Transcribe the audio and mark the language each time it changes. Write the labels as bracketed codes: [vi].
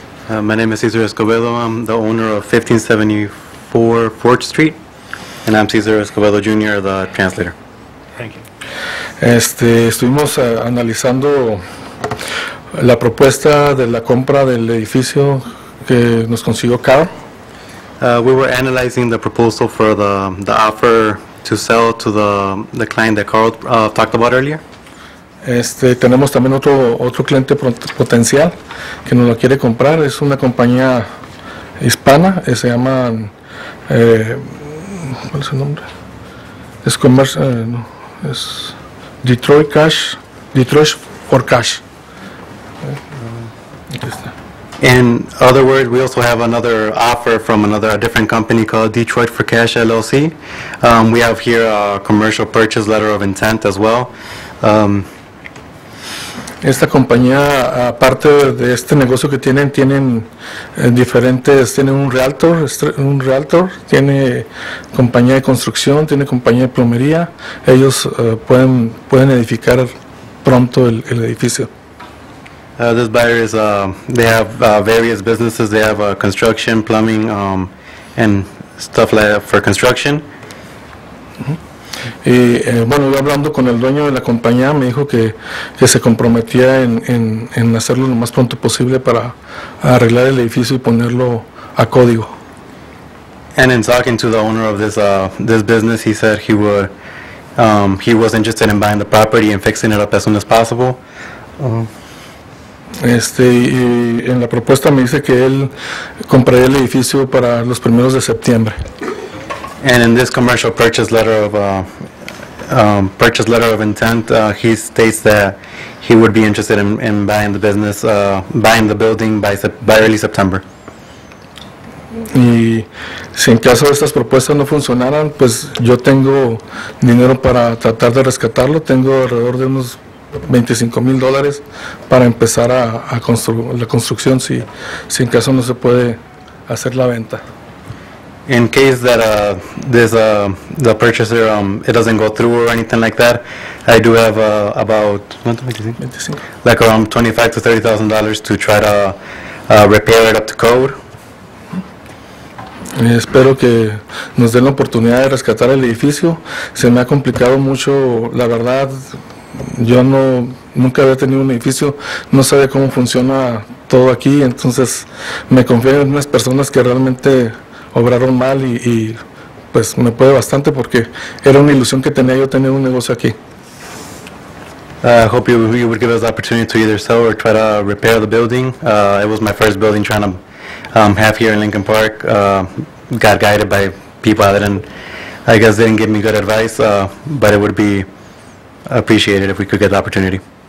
[en] My name is César Escobedo. I'm the owner of 1574 Fort Street. And I'm César Escobedo Jr., the translator. Thank you. [es] Estuvimos analizando La propuesta de la compra del edificio que nos consiguió Carl. [en] We were analyzing the proposal for the offer to sell to the client that Carl talked about earlier. [es] Tenemos también otro cliente potencial que nos lo quiere comprar. Es una compañía hispana. Se llama ¿cuál es el nombre? Es Commerce. No, es Detroit Cash. Detroit for Cash. [en] In other words, we also have another offer from a different company called Detroit for Cash LLC. We have here a commercial purchase letter of intent as well. [es] Esta compañía, aparte de este negocio que tienen diferentes, tienen un realtor, tiene compañía de construcción, tiene compañía de plomería. Ellos pueden edificar pronto el edificio. [en] This buyer is, they have various businesses. They have construction, plumbing, and stuff like that for construction. [es] Y bueno, yo hablando con el dueño de la compañía, me dijo que se comprometía en hacerlo lo más pronto posible para arreglar el edificio y ponerlo a código. [en] And in talking to the owner of this business, he said he was interested in buying the property and fixing it up as soon as possible. [es] Y en la propuesta me dice que él compraría el edificio para los primeros de septiembre. [en] And in this commercial purchase letter of intent, he states that he would be interested in buying the business, buying the building by early September. [es] Y si en caso de estas propuestas no funcionaran, pues yo tengo dinero para tratar de rescatarlo. Tengo alrededor de unos $25,000 para empezar a la construcción si en caso no se puede hacer la venta. [en] In case that the purchaser it doesn't go through or anything like that, I do have about like around $25,000 to $30,000 to try to repair it up to code. [es] Espero que nos den la oportunidad de rescatar el edificio. Se me ha complicado mucho, la verdad. Yo nunca había tenido un edificio, no sabía cómo funciona todo aquí, entonces me confié en unas personas que realmente obraron mal y pues me puede bastante porque era una ilusión que tenía yo tener un negocio aquí. [en] I hope you would give us the opportunity to either sell or try to repair the building. It was my first building trying to have here in Lincoln Park. Got guided by people that didn't give me good advice, but it would be appreciated if we could get the opportunity.